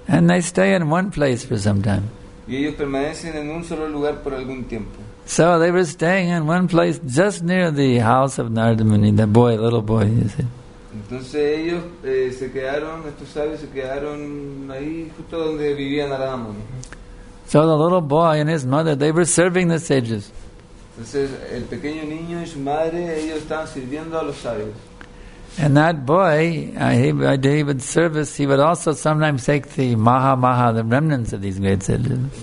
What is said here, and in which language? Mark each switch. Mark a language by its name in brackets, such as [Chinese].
[English] And they stay in one place for some time. [Spanish] Y ellos permanecen en un solo lugar por algún tiempo. [English] So they were staying in one place just near the house of Narada Muni, the boy, little boy, you see. [Spanish] Entonces ellos se quedaron, estos sabios se quedaron ahí justo donde vivía Narada Muni. [English] So the little boy and his mother, they were serving the sages. [Spanish] Entonces el pequeño niño y su madre, ellos estaban sirviendo a los sabios. [English] And that boy, he would service, he would also sometimes take the maha maha, the remnants of these great sages.